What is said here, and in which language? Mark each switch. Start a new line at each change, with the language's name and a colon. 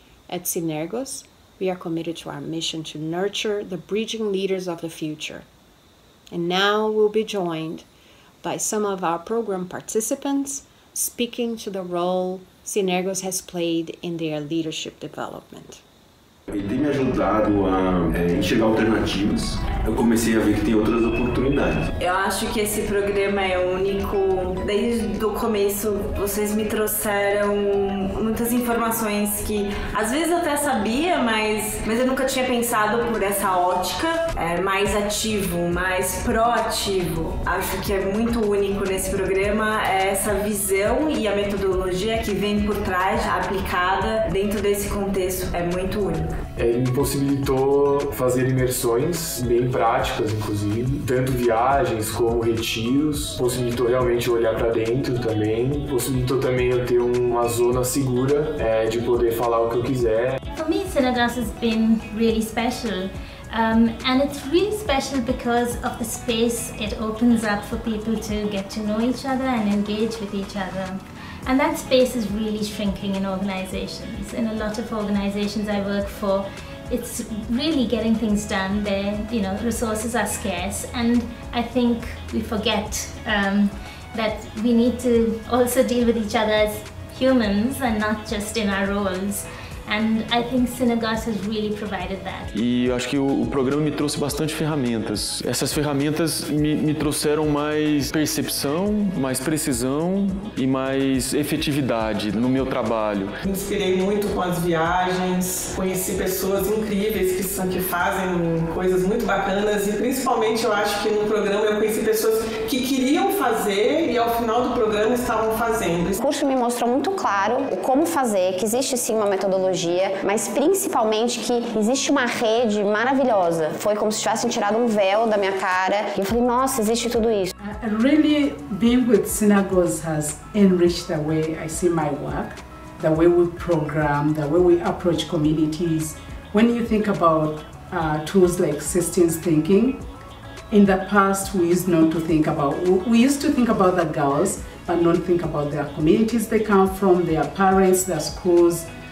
English: At Synergos, we are committed to our mission to nurture the bridging leaders of the future. And now we'll be joined by some of our program participants speaking to the role Synergos has played in their leadership development.
Portuguese: Ele tem me ajudado a enxergar alternativas Eu comecei a ver que tem outras oportunidades. Eu acho que esse programa é único. Desde o começo, vocês me trouxeram muitas informações que às vezes até sabia, mas eu nunca tinha pensado por essa ótica. É mais ativo, mais proativo. Acho que é muito único nesse programa essa visão e a metodologia que vem por trás, aplicada dentro desse contexto. É muito única. Ele me possibilitou fazer imersões bem práticas, inclusive, tanto viagens como retiros, possibilitou realmente olhar para dentro também, possibilitou também eu ter uma zona segura de poder falar o que eu quiser.
English: For me, Synergos has been really special, and it's really special because of the space it opens up for people to get to know each other and engage with each other. And that space is really shrinking in organizations. In a lot of organizations I work for, it's really getting things done. There, you know, resources are scarce, and I think we forget that we need to also deal with each other as humans and not just in our roles. And I think Synergos has really provided that.
Portuguese: E eu acho que o programa me trouxe bastante ferramentas. Essas ferramentas me trouxeram mais percepção, mais precisão e mais efetividade no meu trabalho. Me inspirei muito com as viagens, conheci pessoas incríveis que fazem coisas muito bacanas, e principalmente eu acho que no programa eu conheci pessoas que queriam fazer e ao final do programa estavam fazendo. O curso me mostrou muito claro como fazer, que existe sim uma metodologia, mas principalmente que existe uma rede maravilhosa. Foi como se tivessem tirado um véu da minha cara e eu falei, nossa, existe tudo isso.
English: Really, being with Synergos has enriched the way I see my work, the way we program, the way we approach communities. When you think about tools like systems thinking, in the past we used not to think about, we used to think about the girls, but not think about their communities they come from, their parents, their schools.